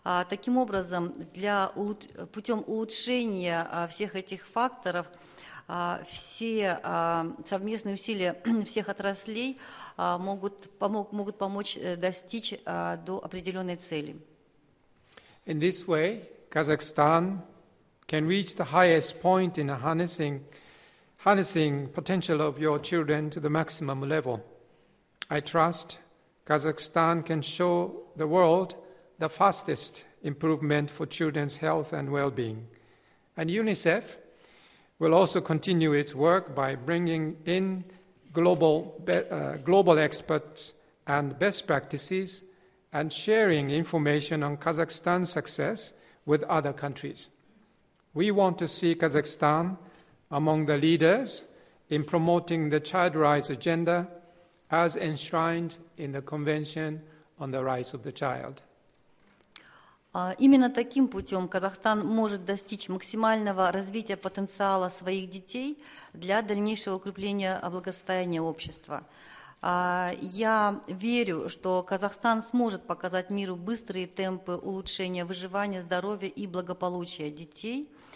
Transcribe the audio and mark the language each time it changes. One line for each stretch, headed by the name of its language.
Russian: Таким образом, путем улучшения всех этих факторов, все совместные усилия всех отраслей могут помочь достичь до определенной цели.
English: In this way, Kazakhstan can reach the highest point in harnessing potential of your children to the maximum level. I trust Kazakhstan can show the world the fastest improvement for children's health and well-being. And UNICEF will also continue its work by bringing in global experts and best practices and sharing information on Kazakhstan's success with other countries. We want to see Kazakhstan among the leaders in promoting the child rights agenda as enshrined in the Convention on the Rights of the Child.
Russian: Именно таким путем Казахстан может достичь максимального развития потенциала своих детей для дальнейшего укрепления благосостояния общества. Я верю, что Казахстан сможет показать миру быстрые темпы улучшения выживания, здоровья и благополучия детей.